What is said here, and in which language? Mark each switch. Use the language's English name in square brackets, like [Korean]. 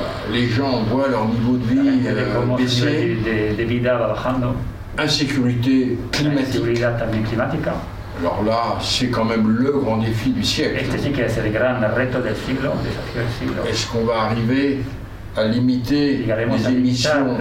[French] Les gens voient leur niveau de vie baisser. [Spanish] De vida va bajando. [French] Insécurité climatique. [Spanish] También climática. [French] Alors là, c'est quand même le grand défi du siècle. [Spanish] Este sí que es el gran reto del siglo, desafío del siglo. [French] Est-ce qu'on va arriver à limiter les émissions,